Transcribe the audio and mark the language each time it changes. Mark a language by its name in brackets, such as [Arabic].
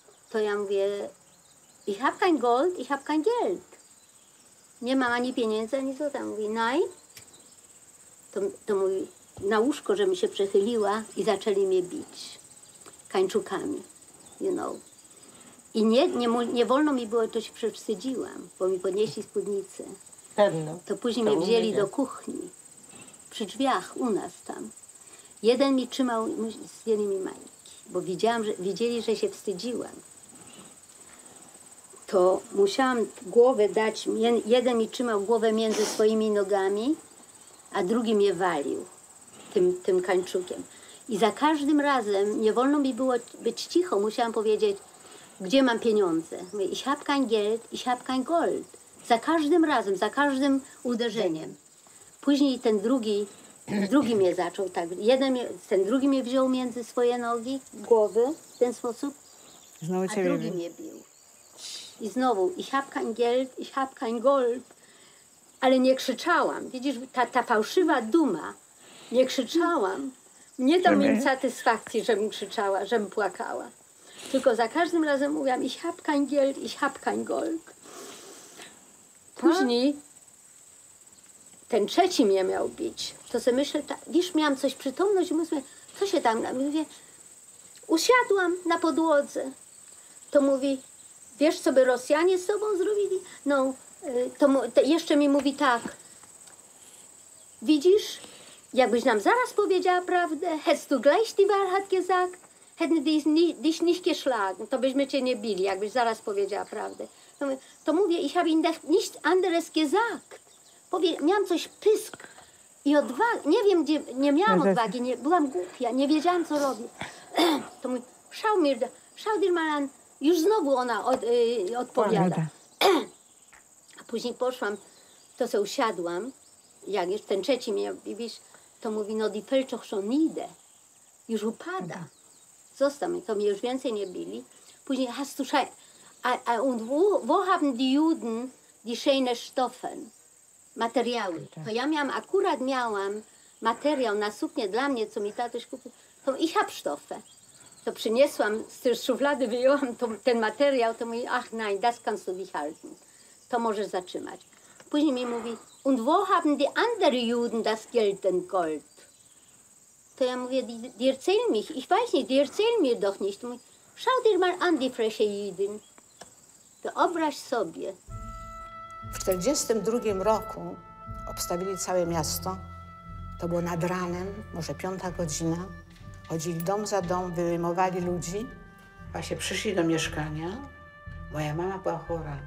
[German] To ja mówię, ich hab kein Gold, ich hab kein Geld. [Polish] Nie mam ani pieniędzy, ani złota. Mówi, nein. To mówi, na łóżko, że mi się przechyliła i zaczęli mnie bić kańczukami, [English] you know. [Polish] I nie wolno mi było, to się przewstydziłam, bo mi podnieśli spódnicę. Pewno. To później mnie wzięli do kuchni, przy drzwiach, u nas tam. Jeden mi trzymał, zdjęli mi majtki, bo widzieli, że się wstydziłam. To musiałam głowę dać, jeden mi trzymał głowę między swoimi nogami, a drugi mnie walił tym kańczukiem. I za każdym razem nie wolno mi było być cicho, musiałam powiedzieć, gdzie mam pieniądze. Mówię, [German] ich hab kein Geld, ich hab kein Gold. [Polish] Za każdym razem, za każdym uderzeniem. Później ten drugi mnie zaczął tak. Ten drugi mnie wziął między swoje nogi, głowy, w ten sposób. Znowu a drugi mnie bił. I znowu, [German] ich hab kein Geld, ich hab kein Gold. [Polish] Ale nie krzyczałam. Widzisz, ta fałszywa duma. Nie krzyczałam. Nie dał mi satysfakcji, żebym krzyczała, żebym płakała. Tylko za każdym razem mówiłam, [German] ich hab kein Geld, ich hab kein Gold. [Polish] Później ten trzeci mnie miał bić. To sobie myślę, wiesz, miałam coś przytomność i mówię, co się tam na mnie? Usiadłam na podłodze. To mówi, wiesz, co by Rosjanie z tobą zrobili? No, jeszcze mi mówi tak. Widzisz, jakbyś nam zaraz powiedziała prawdę, [German] hättest du gleich die Wahrheit gesagt, hätten dich nicht geschlagen, [Polish] to byśmy cię nie bili, jakbyś zaraz powiedziała prawdę. To mówię, [German] ich habe ihnen nichts anderes gesagt. [Polish] Miałam coś pysk i odwagi. Nie wiem, gdzie. Nie miałam odwagi, nie, byłam głupia, nie wiedziałam, co robię. To mówię, [German] schau dir mal an. [Polish] Już znowu ona odpowiada. A później poszłam, to se usiadłam, jak już ten trzeci mnie, widzisz, to mówi, [German] no die Felczoch schon nieder. [Polish] Już upada. Zostaw mnie, to mnie już więcej nie bili. Później, [German] hast du schein. Und wo haben die Juden die schöne Stoffe, [Polish] Materiały? To ja miałam, akurat miałam materiał na suknię dla mnie, co mi tatuś kupił, to [German] ich hab Stoffe. [Polish] To przyniosłam, z tej szuflady wyjęłam ten materiał, to mówi, [German] ach nein, das kannst du dich halten. [Polish] To możesz zatrzymać. Później mi mówi, [German] und wo haben die anderen Juden das Geld und Gold? [Polish] To ja mówię, [German] die erzähl mich, ich weiß nicht, die erzähl mir doch nicht. [Polish] Mówi, [German] schau dir mal an, die freche Jüdin. [Polish] Wyobraź sobie. W 42 roku obstawili całe miasto. To było nad ranem, może 5 godzina. Chodzili dom za dom, wyjmowali ludzi. Właśnie przyszli do mieszkania. Moja mama była chora.